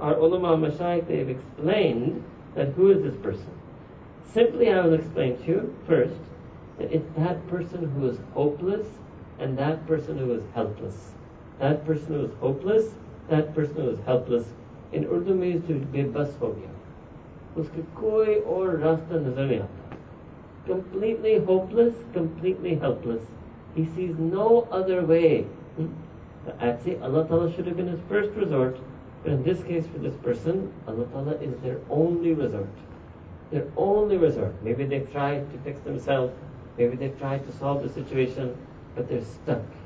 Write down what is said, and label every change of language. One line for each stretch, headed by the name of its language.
English: Our ulama mashayikh, they have explained that who is this person. Simply I will explain to you first that it's that person who is hopeless and that person who is helpless. That person who is hopeless, that person who is helpless. In Urdu means to be basfobia.
Urdu: اسکا کوئی اور راستہ نظر نہیں آتا۔
English: Completely hopeless, completely helpless. He sees no other way. But actually, Allah Ta'ala should have been his first resort. But in this case, for this person, Allah Ta'ala is their only resort. Their only resort. Maybe they tried to fix themselves. Maybe they tried to solve the situation. But they're stuck.